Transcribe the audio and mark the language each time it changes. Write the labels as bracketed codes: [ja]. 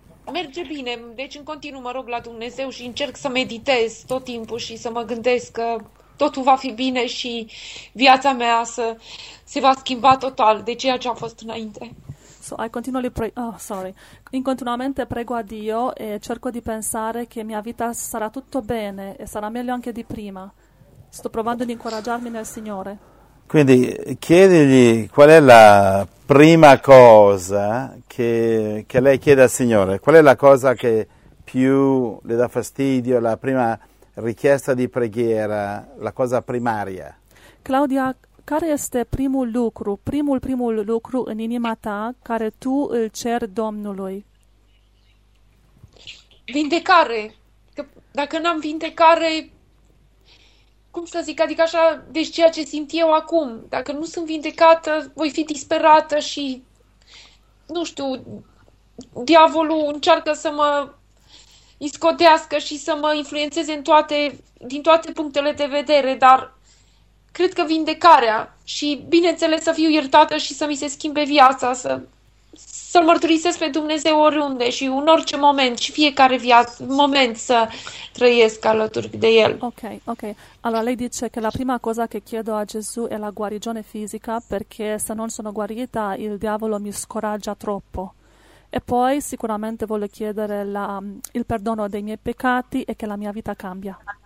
[ro] Merge bine, deci în continuu mă rog la Dumnezeu și încerc să meditez tot timpul și să mă gândesc că totul va fi bine și viața mea să se va schimba total de ceea ce a fost înainte. [en] So I continually pray. Oh, sorry. [it] In continuamente prego a Dio e cerco di pensare che mia vita sarà tutto bene e sarà meglio anche di prima. Sto provando ad incoraggiarmi nel Signore. Quindi chiedigli qual è la prima cosa che lei chiede al Signore. Qual è la cosa che più le dà fastidio, la prima richiesta di preghiera, la cosa primaria? [ro] Claudia, care este primul lucru în inima ta care tu îl ceri Domnului? Vindecare. Că dacă n-am vindecare, cum să zic, adică așa, deci ceea ce simt eu acum, dacă nu sunt vindecată, voi fi disperată și, nu știu, diavolul încearcă să mă iscodească și să mă influențeze în toate, din toate punctele de vedere, dar cred că vindecarea și, bineînțeles, să fiu iertată și să mi se schimbe viața, să-L mărturisesc pe Dumnezeu oriunde și în orice moment și fiecare moment să trăiesc alături de El. Ok, ok. [it] Allora, lei dice che la prima cosa che chiedo a Gesù è la guarigione fisica, perché se non sono guarita il diavolo mi scoraggia troppo. E poi sicuramente voglio chiedere il perdono dei miei peccati e che la mia vita cambia.